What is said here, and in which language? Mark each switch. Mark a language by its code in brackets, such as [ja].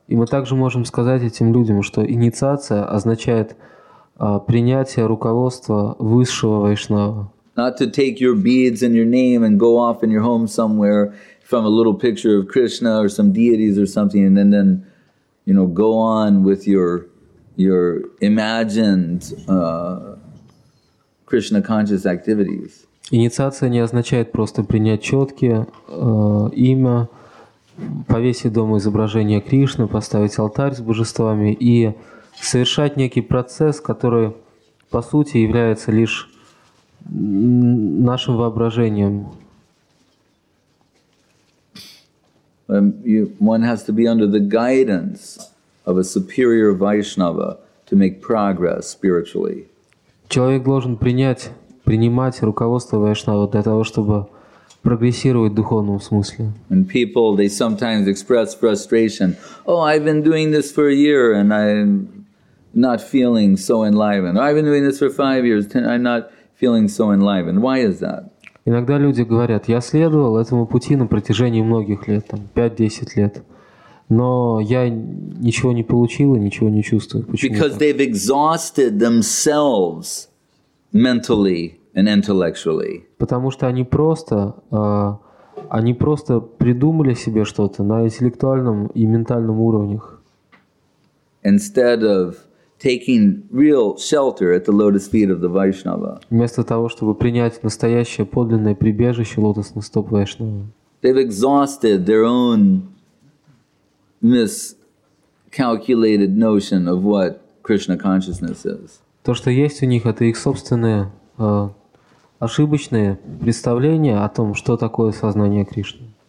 [ru] И мы также можем сказать этим людям, что инициация означает принятие руководства высшего Вайшнава. [en] Not to take your beads and your name and go off in your home somewhere from a little picture of Krishna or some deities or something, and then you know, go on with your imagined Krishna conscious activities. [ru] Инициация не означает просто принять четки, имя, повесить дома изображение Кришны, поставить алтарь с божествами и совершать некий процесс, который по сути является лишь нашим воображением. [en] One has to be under the guidance of a superior Vaishnava to make progress spiritually. [ru] Человек должен принимать руководство Вайшнава для того, чтобы прогрессировать в духовном смысле. [en] And people, they sometimes express frustration. Oh, I've been doing this for a year and I'm not feeling so enlivened. I've been doing this for 5 years and I'm not feeling so enlivened. Why is that? [ru] Иногда люди говорят, я следовал этому пути на протяжении многих лет, там, 5-10 лет, но я ничего не получил и ничего не чувствую. Почему? [en] Because they've exhausted themselves mentally and intellectually. [ru] Потому что они просто придумали себе что-то на интеллектуальном и ментальном уровнях. [en] Instead of taking real shelter at the lotus feet of the Vaishnava. [ru] Вместо того, чтобы принять настоящее подлинное прибежище лотосных стоп Вайшнава. [en] They've exhausted their own miscalculated notion of what Krishna consciousness is. [ru] То, что есть у них, это их собственное ошибочное представление о том, что такое сознание Кришны.